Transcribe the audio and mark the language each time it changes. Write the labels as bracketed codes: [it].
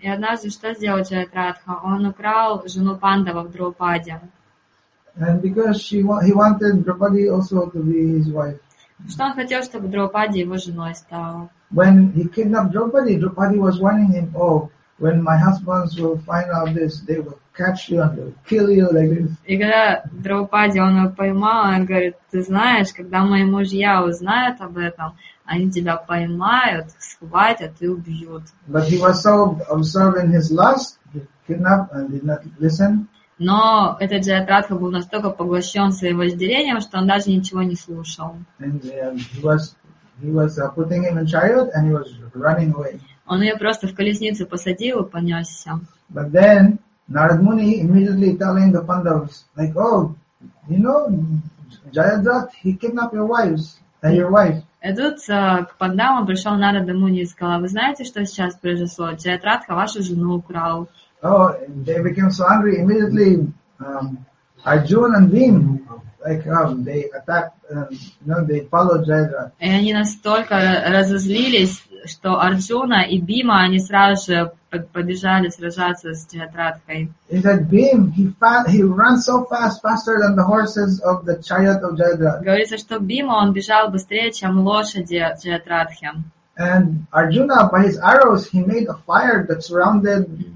[ru] И однажды что сделал Джаядратха? Он украл жену Пандавов Драупади. [en] And because he wanted Draupadi also to be his wife. [ru] Что он хотел, чтобы Драупади его женой стала? [en] When he kidnapped Draupadi, Draupadi was warning him, oh, when my husbands will find out this, they will catch you and they will kill you like this. [ru] И когда Драупади, он его поймал, он говорит, ты знаешь, когда мои мужья узнают об этом, они тебя поймают, схватят и убьют. [en] But he was so absorbed in his lust, he kidnapped and did not listen. [ru] Но этот Джаядратха был настолько поглощен своим вожделением, что он даже ничего не слушал. [en] And he was putting him in chariot and he was running away. [ru] Он ее просто в колесницу посадил и понесся. [en] But then Narad Muni immediately telling the Pandavas, like, oh, you know, Jayadrat, he kidnapped your wives and your wife. [ru] И тут к Пандавам пришел Narad Muni и сказал, вы знаете, что сейчас произошло? Джаядратха вашу жену украл. [en] Oh, they became so angry immediately. Arjuna and Bhim, like, they attacked, they followed Jayadrat. [ru] И они настолько разозлились, что Арджуна и Бима, они сразу же побежали сражаться с Джаядратхой. [en] He said, Bhim, he ran so fast, faster than the horses of the chariot of Jayadrat. [ru] Говорится, что Бима, он бежал быстрее, чем лошади Джаядратхи. [en] And Arjuna, by his arrows, he made a fire that surrounded